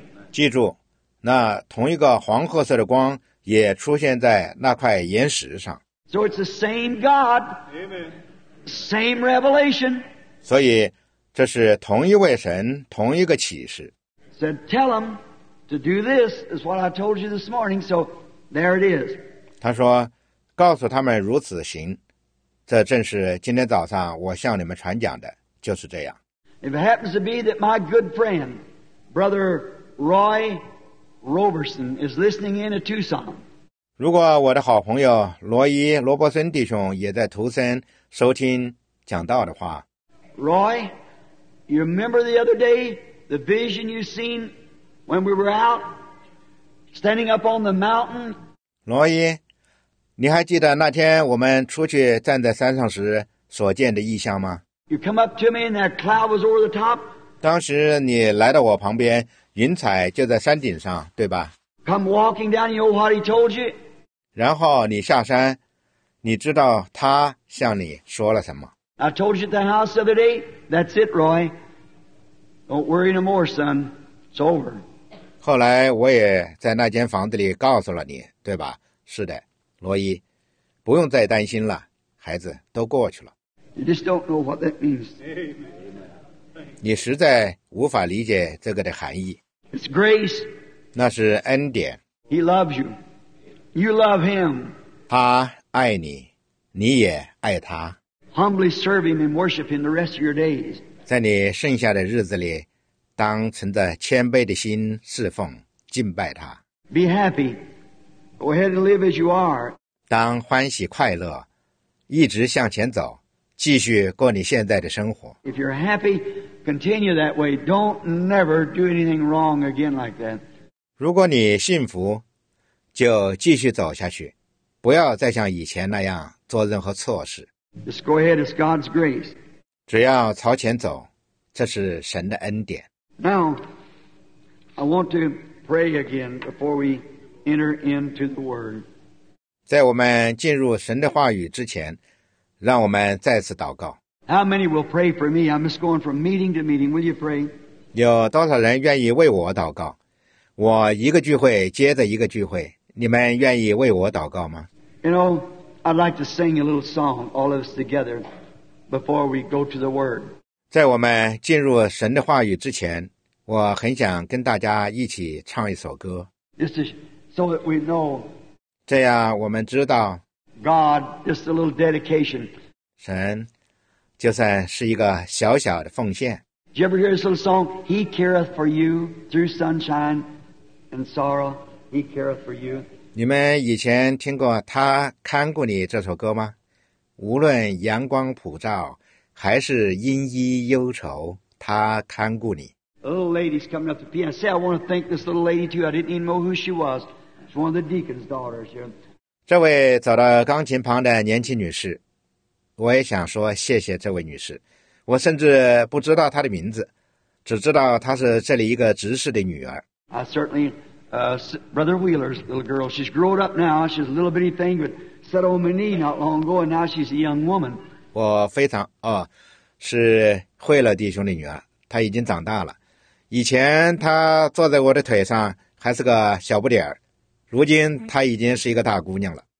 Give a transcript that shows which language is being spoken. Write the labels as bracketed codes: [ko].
[zh] 记住，那同一个黄褐色的光也出现在那块岩石上。 [en] So it's the same God. Amen. Same revelation. [zh] 所以，这是同一位神，同一个启示。 [en] Said, tell them to do this is what I told you this morning. So there it is. [zh] 他说，告诉他们如此行，这正是今天早上我向你们传讲的，就是这样。 [en] If it happens to be that my good friend, Brother Roy Roberson, is listening in at Tucson. [zh] 如果我的好朋友罗伊·罗伯森弟兄也在图森收听讲道的话。 [en] Roy, you remember the other day the vision you seen when we were out standing up on the mountain? [zh] 罗伊，你还记得那天我们出去站在山上时所见的异象吗？ [en] You come up to me and that cloud was over the top. [zh] 当时你来到我旁边，云彩就在山顶上，对吧？ [en] Come walking down, you know what he told you? [zh] 然后你下山，你知道他向你说了什么？ [en] I told you at the house the other day, that's it, Roy. Don't worry no more, son. It's over. [zh] 后来我也在那间房子里告诉了你，对吧？是的，罗伊，不用再担心了，孩子，都过去了。 [en] You just don't know what that means. Amen. Amen. [zh] 你实在无法理解这个的含义。 [en] It's grace. [zh] 那是恩典。 [en] He loves you. You love him. [zh] 他爱你，你也爱他。 [en] Humbly serve him and worship him the rest of your days. [zh] 在你剩下的日子里，当存着谦卑的心侍奉敬拜他。 [en] Be happy. Go ahead and live as you are. [zh] 当欢喜快乐，一直向前走，继续过你现在的生活。 [en] If you're happy, continue that way. Don't never do anything wrong again like that. [zh] 如果你幸福，就继续走下去，不要再像以前那样做任何错事。 [en] Just go ahead, it's God's grace. [zh] 只要朝前走，这是神的恩典。 [en] Now, I want to pray again before we enter into the Word. [zh] 在我们进入神的话语之前，让我们再次祷告。 [en] How many will pray for me? I'm just going from meeting to meeting. Will you pray? [zh] 有多少人愿意为我祷告？我一个聚会接着一个聚会，你们愿意为我祷告吗？ [en] You know,I'd like to sing a little song, all of us together, before we go to the Word. [zh] 在我们进入神的话语之前，我很想跟大家一起唱一首歌。 [en] Just so that we know. [zh] 这样我们知道。 [en] God, just a little dedication. [zh] 神，就算是一个小小的奉献。 [en] Did you ever hear this little song? He careth for you through sunshine and sorrow. He careth for you. [zh] 你们以前听过他看顾你这首歌吗？无论阳光普照还是阴翳忧愁，他看顾你。 [en] A little lady's coming up to piano. Say, I want to thank this little lady too. I didn't even know who she was. She's one of the deacon's daughters here. [zh] 这位走到钢琴旁的年轻女士，我也想说谢谢这位女士。我甚至不知道她的名字，只知道她是这里一个执事的女儿。 [en] I certainlyBrother Wheeler's little girl. She's grown up now. She's a little bitty thing, but set on my knee not long ago, and now she's a young woman. [zh] 我非常哦，是惠勒弟兄的女儿，她已经长大了。以前她坐在我的腿上还是个小不点儿，如今她已经是一个大姑娘了。